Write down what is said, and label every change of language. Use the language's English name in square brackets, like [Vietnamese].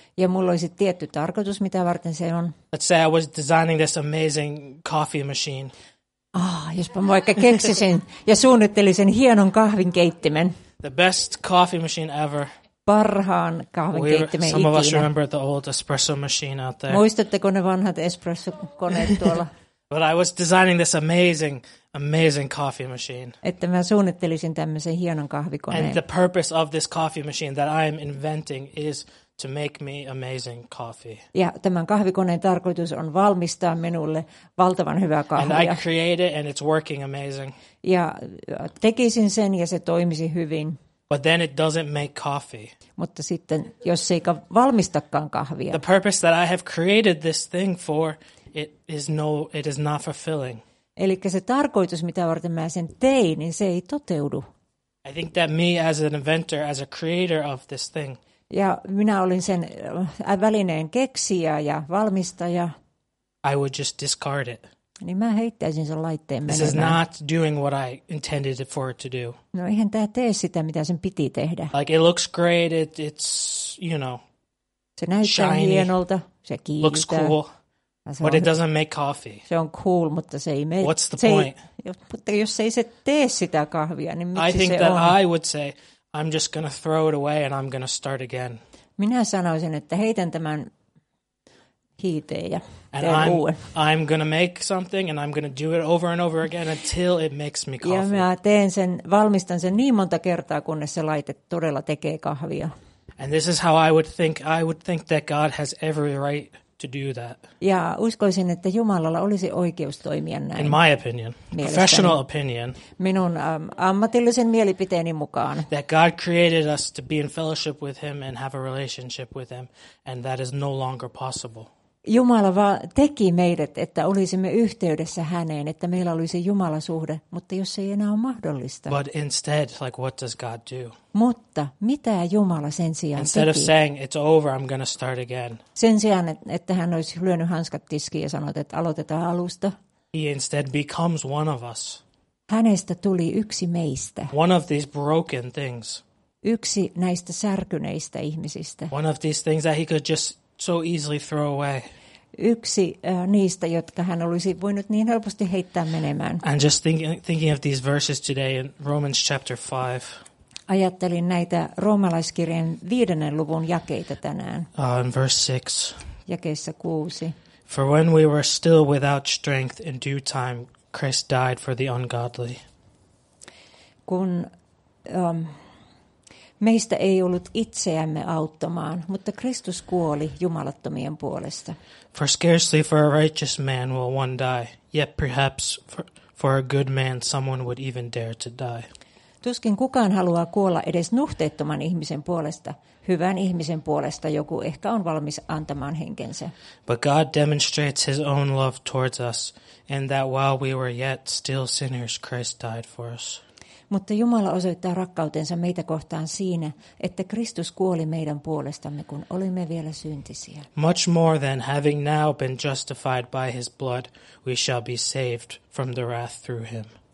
[Finnish] Ja mulla olisi tietty tarkoitus, mitä varten se on. [English] Let's say I was designing this amazing coffee machine. [Finnish] Jospa mä vaikka keksisin ja suunnittelisin hienon kahvinkeittimen. [English] The best coffee machine ever. [Finnish] Parhaan kahvinkeittimen ikinä. [English] Some of us remember the old espresso machine out there. [Finnish] Muistatteko ne vanhat espressokoneet tuolla? [English] But I was designing this amazing coffee machine. [Finnish] Että mä suunnittelisin tämmöisen hienon kahvikoneen. [English] And the purpose of this coffee machine that I am inventing is to make me amazing coffee. [Finnish] Ja tämän kahvikoneen tarkoitus on valmistaa minulle valtavan hyvää kahvia. [English] And I create it and it's working amazing. [Finnish] Ja tekisin sen ja se toimisi hyvin. [English] But then it doesn't make coffee. [Finnish] Mutta sitten jos se ei valmistakaan kahvia. [English] The purpose that I have created this thing for, it is not fulfilling. [Finnish] Elikkä se tarkoitus, mitä varten mä sen tein, niin se ei toteudu. [English] I think that me as an inventor, as a creator of this thing. [Finnish] Ja minä olin sen välineen keksijä ja valmistaja. [English] I would just discard it. [Finnish] Niin mä heittäisin sen laitteen menemään. [English] This is not doing what I intended for it to do. [Finnish] No eihän tää tee sitä, mitä sen piti tehdä. [English] Like it looks great, it's, you know, [Finnish] se näyttää [English] shiny, [Finnish] hienolta, se kiiltää. [English] Looks cool, but it doesn't make coffee. [Finnish] Se on cool, mutta se ei mene. [English] What's the [Finnish] se [English] point? [Finnish] Mutta jos ei se tee sitä kahvia, niin miksi se on? [English] I think that I would say, I'm just gonna throw it away and I'm gonna start again. [Finnish] Minä sanoisin, että heitän tämän hiiteen ja teen uuden. [English] I'm gonna make something and I'm gonna do it over and over again until it makes me coffee. [Finnish] Ja mä teen sen, valmistan sen niin monta kertaa, kunnes se laite todella tekee kahvia. [English] And this is how I would think that God has every right to do that. [Finnish] Ja uskoisin, että Jumalalla olisi oikeus toimia näin. [English] In my opinion, professional opinion. [Finnish] Minun ammatillisen mielipiteeni mukaan. [English] That God created us to be in fellowship with him and have a relationship with him, and that is no longer possible. [Finnish] Jumala vaan teki meidät, että olisimme yhteydessä häneen, että meillä olisi Jumala-suhde, mutta jos ei enää ole mahdollista. [English] But instead, like, what does God do? [Finnish] Mutta mitä Jumala sen sijaan [English] instead [Finnish] teki? [English] Of saying, it's over, I'm gonna start again. [Finnish] Sen sijaan, että hän olisi lyönyt hanskat tiskiin ja sanonut, että aloitetaan alusta. [English] He instead becomes one of us. [Finnish] Hänestä tuli yksi meistä. [English] One of these broken things. [Finnish] Yksi näistä särkyneistä ihmisistä. [English] One of these things that he could just so easily throw away. [Finnish] Yksi niistä, jotka hän olisi voinut niin helposti heittää menemään. [English] And just thinking of these verses today in Romans chapter 5. [Finnish] Ajattelin näitä roomalaiskirjeen 5. luvun jakeita tänään. [English] In verse 6. [Finnish] Jakeissa 6. [English] For when we were still without strength in due time, Christ died for the ungodly. [Finnish] Kun meistä ei ollut itseämme auttamaan, mutta Kristus kuoli jumalattomien puolesta. [English] For scarcely for a righteous man will one die, yet perhaps for a good man someone would even dare to die. [Finnish] Tuskin kukaan haluaa kuolla edes nuhteettoman ihmisen puolesta. Hyvän ihmisen puolesta joku ehkä on valmis antamaan henkensä. [English] But God demonstrates his own love towards us, in that while we were yet still sinners, Christ died for us. [Finnish] Mutta Jumala osoittaa rakkautensa meitä kohtaan siinä, että Kristus kuoli meidän puolestamme, kun olimme vielä syntisiä. [English] Much more than having now been justified by his blood, we shall be saved from the wrath through him.